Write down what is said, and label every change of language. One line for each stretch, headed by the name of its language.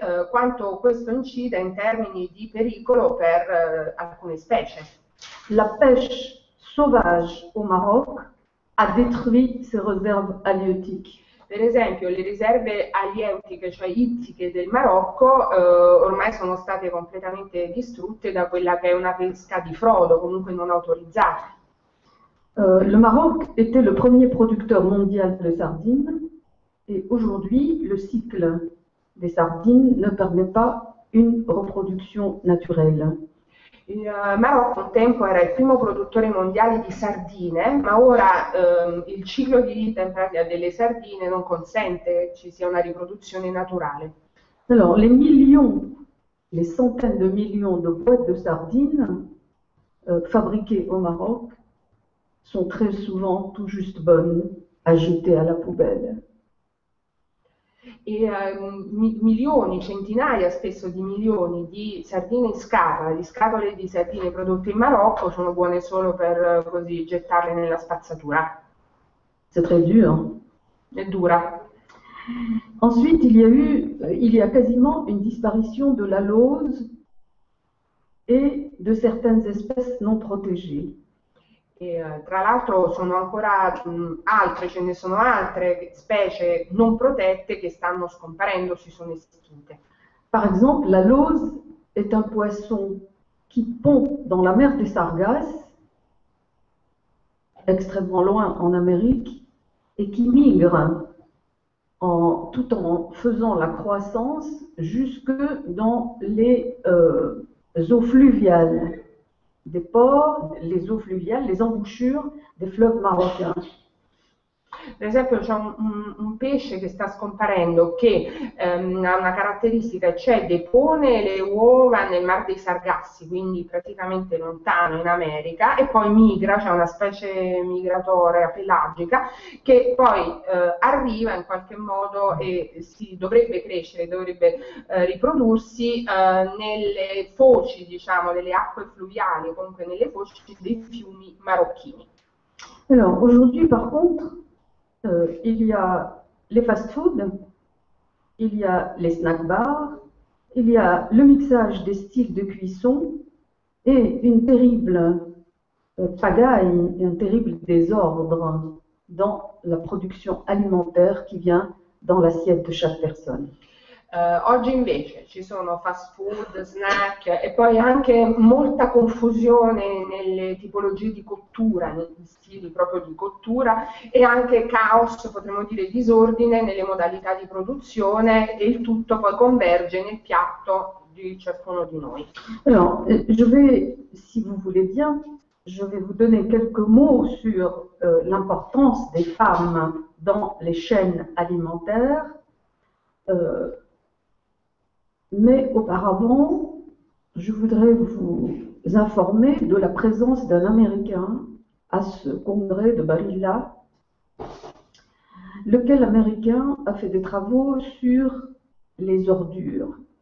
Italian: Quanto questo incida in termini di pericolo per alcune specie.
French: La pêche sauvage au Maroc a détruit ses réserves halieutiques.
Italian: Per esempio, le riserve aliettiche, cioè ittiche del Marocco, ormai sono state completamente distrutte da quella che è una pesca di frodo, comunque non autorizzata.
French: Le Maroc était le premier producteur mondial de sardines et aujourd'hui le cycle des sardines ne permet pas une reproduction naturelle.
Italian: Il Marocco un tempo era il primo produttore mondiale di sardine, ma ora il ciclo di vita in pratica delle sardine non consente che ci sia una riproduzione naturale.
French: Alors, les millions, les centaines de millions de boîtes de sardines fabriquées au Maroc sont très souvent tout juste bonnes à jeter à la poubelle.
Italian: E milioni, centinaia spesso di milioni di sardine in scatola, di scatole di sardine prodotte in Marocco sono buone solo per così gettarle nella spazzatura.
French: C'est très dur.
Italian: È dura.
French: Ensuite, il y a quasiment une disparition de l'alose et de certaines espèces non protégées.
Italian: E, tra l'altro sono ancora altre, ce ne sono altre specie non protette che stanno scomparendo, si sono estinte.
French: Par exemple, l'alose est un poisson qui pond dans la mer des Sargasses, extrêmement loin en Amérique, et qui migre tout en faisant la croissance jusque dans les eaux fluviales des ports, les eaux fluviales, les embouchures des fleuves marocains.
Italian: Per esempio, c'è un pesce che sta scomparendo che ha una caratteristica, cioè depone le uova nel Mar dei Sargassi, quindi praticamente lontano in America, e poi migra, c'è cioè una specie migratoria pelagica che poi arriva in qualche modo e si dovrebbe crescere, dovrebbe riprodursi nelle foci, diciamo, delle acque fluviali, comunque nelle foci dei fiumi marocchini.
French: Alors aujourd'hui, par contre, il y a les fast-food, il y a les snack bars, il y a le mixage des styles de cuisson et une terrible pagaille, un terrible désordre dans la production alimentaire qui vient dans l'assiette de chaque personne.
Italian: Oggi invece ci sono fast food, snack e poi anche molta confusione nelle tipologie di cottura, negli stili proprio di cottura e anche caos, potremmo dire disordine nelle modalità di produzione e il tutto poi converge nel piatto di ciascuno di noi.
French: Alors, si vous voulez bien, je vais vous donner quelques mots sur l'importance des femmes dans les chaînes alimentaires. Mais auparavant, je voudrais vous informer de la présence d'un Américain à ce congrès de Barilla, lequel Américain a fait des travaux sur les ordures.